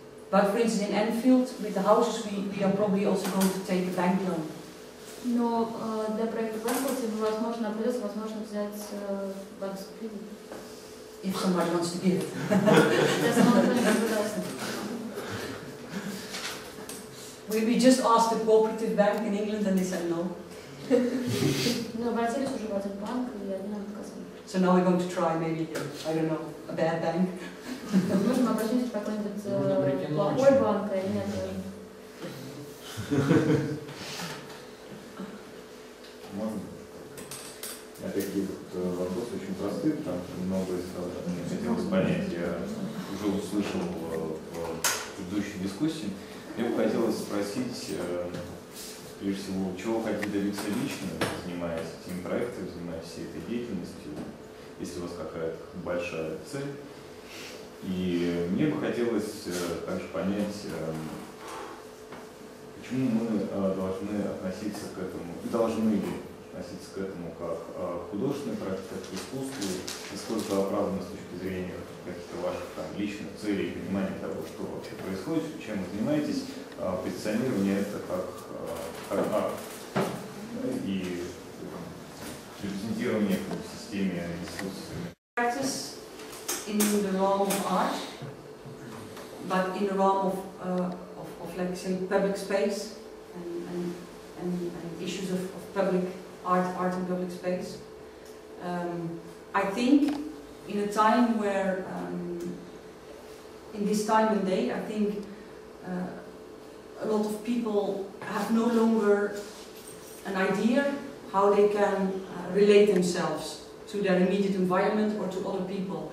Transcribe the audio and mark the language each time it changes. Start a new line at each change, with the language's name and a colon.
English: But for instance, in Enfield, with the houses, we are probably also going to take a bank loan.
Russian: Но для проекта Enfield, возможно, придется, возможно, взять банковский кредит.
English: If somebody wants to give it. We just asked the cooperative bank in England and they said no.
Russian: Мы обратились уже в один банк, и они нам отказали.
English: So now we're going to try maybe, I don't know, a bad bank.
Russian: Мы можем обратиться в какой-нибудь плохой банк, а нет. Опять-таки, вот, вопрос очень простой, там многое сразу не хотелось понять. Я уже услышал в предыдущей дискуссии. Мне бы хотелось спросить, прежде всего, чего хотите добиться лично, занимаясь этими проектами, занимаясь всей этой деятельностью, если у вас какая-то большая цель. И мне бы хотелось также понять, почему мы должны относиться к этому, должны ли относиться к этому как художественный проект, как к искусству, насколько оправдано с точки зрения каких-то ваших там личных целей, понимания того, что вообще происходит, чем вы занимаетесь, позиционирование это как арт, да, и репрезентирование в системе искусства.
English: Practice in the realm of art, but in the realm of like say public space and issues of public art in public space. I think in a time where, in this time and day, I think a lot of people have no longer an idea how they can relate themselves to their immediate environment or to other people.